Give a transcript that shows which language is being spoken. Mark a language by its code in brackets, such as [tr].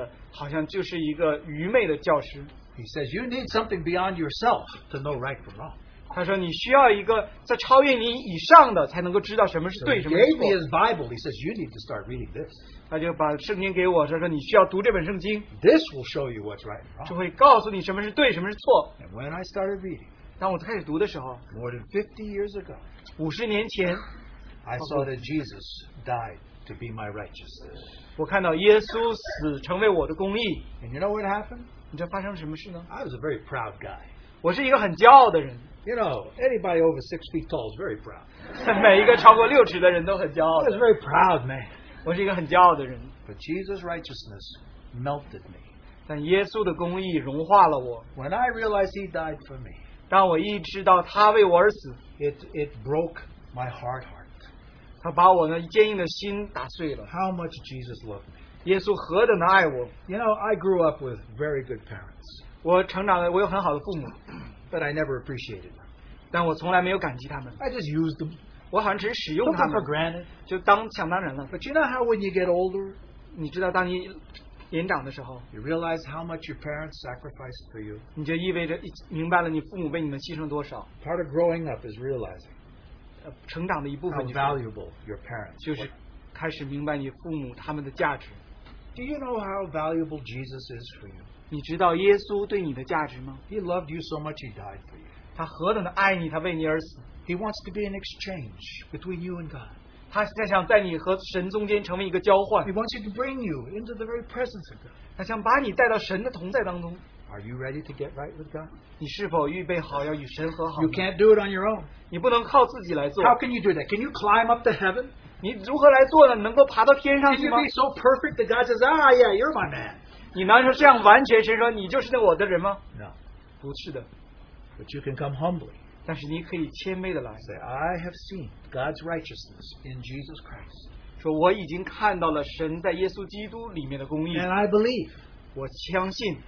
[zh] 他相信自己的智慧的,好像就是一个愚昧的教师。 [en] He says, you need something beyond yourself to know right from wrong. [zh] 他说你需要一个在超越你以上的才能够知道什么是对什么错。 [en] So he gave me his Bible. He says, you need to start reading this. [zh] 他就把圣经给我,说你需要读这本圣经。 [en] This will show you what's right and wrong. [zh] 就会告诉你什么是对,什么是错。 [en] And when I started reading, [zh] 当我开始读的时候, [en] more than 50 years ago, [zh] 50年前, [en] I saw that Jesus died to be my righteousness. [zh] 我看到耶稣死成为我的公义。 [en] And you know what happened? [zh] 你知道发生什么事呢? [en] I was a very proud guy. [zh] 我是一个很骄傲的人。 [en] You know, anybody over 6 feet tall is very proud. [zh] 每一个超过六尺的人都很骄傲。 [en] I was very proud, man. [zh] 我是一个很骄傲的人。 [en] But Jesus' righteousness melted me. [zh] 但耶稣的公义融化了我。 [en] When I realized he died for me, [zh] 当我意识到他为我而死, [en] it broke my hard heart. [zh] 他把我那坚硬的心打碎了。 [en] How much Jesus loved me. [zh] 耶稣何等的爱我。 [en] You know, I grew up with very good parents. [zh] 我成长了,我有很好的父母。 [en] But I never appreciated them. [zh] 但我从来没有感激他们。 [en] I just used them. [zh] 我好像只是使用他们。 [en] Took for granted. [zh] 就当想当然了。 [en] But you know how when you get older, [zh] 你知道当你年长的时候, [en] you realize how much your parents sacrificed for you. [zh] 你就意味着明白了你父母为你们牺牲多少。 [en] Part of growing up is realizing [zh] 成长的一部分, [en] how valuable your parents are. [zh] 就是开始明白你父母他们的价值。 [en] Do you know how valuable Jesus is for you? [zh] 你知道耶稣对你的价值吗? [en] He loved you so much he died for you. [zh] 他何等的爱你, 他为你而死。 [en] He wants to be an exchange between you and God. [zh] 他想在你和神中间成为一个交换。 [en] He wants you to bring you into the very presence of God. [zh] 他想把你带到神的同在当中。 [en] Are you ready to get right with God? [zh] 你是否预备好要与神和好? [en] You can't do it on your own. [zh] 你不能靠自己来做。 [en] How can you do that? Can you climb up to heaven? [zh] 你如何来做呢?能够爬到天上去吗? [en] Can you be so perfect that God says, ah, yeah, you're my man. [zh] 你难道这样完全神说你就是那我的人吗? [en] No. [zh] 不是的。 [en] But you can come humbly. [zh] 但是你可以谦卑地来。 [en] Say, I have seen God's righteousness in Jesus Christ. [zh] 说我已经看到了神在耶稣基督里面的公义。 [en] And I believe. [zh] 我相信。